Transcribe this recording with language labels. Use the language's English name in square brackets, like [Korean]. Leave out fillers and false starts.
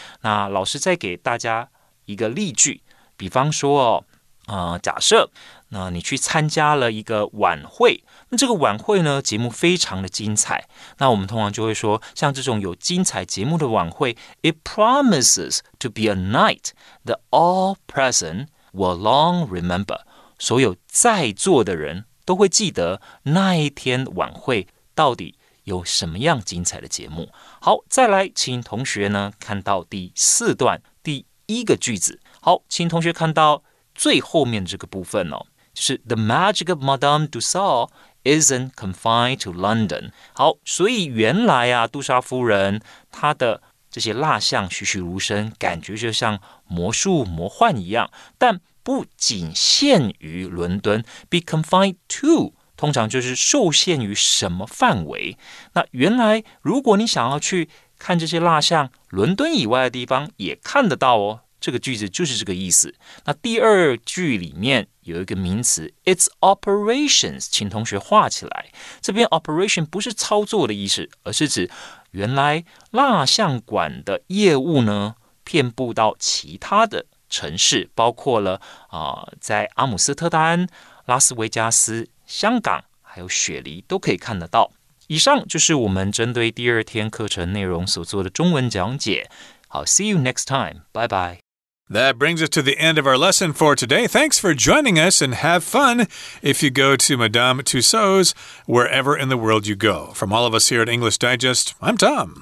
[Chinese] 那老师再给大家一个例句，比方说假设那你去参加了一个晚会，那这个晚会呢节目非常的精彩，那我们通常就会说，像这种有精彩节目的晚会， [English] It promises to be a night that all present will long remember. [Chinese] 所有在座的人都会记得那一天晚会到底有什么样精彩的节目。好，再来，请同学呢看到第四段第一个句子。好，请同学看到最后面这个部分哦，就是 [English] The magic of Madame Tussauds isn't confined to London. [Chinese] 好，所以原来啊，杜莎夫人她的这些蜡像栩栩如生，感觉就像魔术魔幻一样，但不仅限于伦敦。 Be confined to通常就是受限于什么范围。那原来如果你想要去看这些蜡像，伦敦以外的地方也看得到哦。这个句子就是这个意思。那第二句里面有一个名词 It's operations， 请同学画起来。这边 operation 不是操作的意思，而是指原来蜡像馆的业务呢遍布到其他的城市，包括了在阿姆斯特丹、拉斯维加斯、香港还有雪梨都可以看得到。以上就是我们针对第二天课程内容所做的中文讲解。好 [English] ,see you next time. Bye bye. That brings us to the end of our lesson for today. Thanks for joining us and have fun if you go to Madame Tussauds, wherever in the world you go. From all of us here at English Digest, I'm Tom.